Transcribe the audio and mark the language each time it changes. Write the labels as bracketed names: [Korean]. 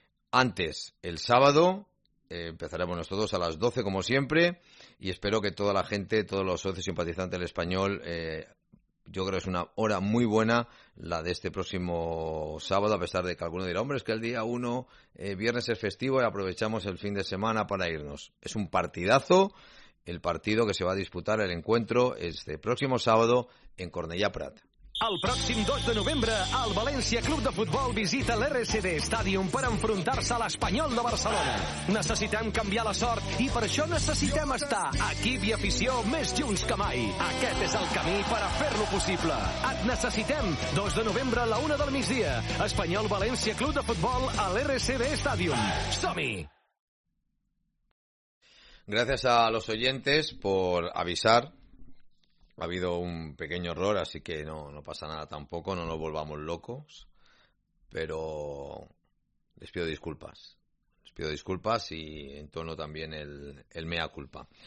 [Spanish] Antes, el sábado, empezaremos nosotros a las 12, como siempre, y espero que toda la gente, todos los socios simpatizantes del Español, yo creo que es una hora muy buena la de este próximo sábado, a pesar de que alguno dirá, hombre, es que el día 1, viernes es festivo y aprovechamos el fin de semana para irnos. Es un partidazo el partido que se va a disputar, el encuentro, este próximo sábado en Cornellà Prat. [Catalan] El pròxim 2 de novembre, el València Club de Futbol visita l'RCD Stadium per enfrontar-se a l'Espanyol de Barcelona. Necessitem canviar la sort i per això necessitem estar equip i afició més junts que mai. Aquest és el camí per a fer-lo possible. Et necessitem 2 de novembre a la 1:00 p.m. Espanyol València Club de Futbol a l'RCD Stadium. Som-hi! [Spanish] Gracias a los oyentes por avisar. Ha habido un pequeño error, así que no pasa nada tampoco, no nos volvamos locos, pero les pido disculpas y entono también el mea culpa.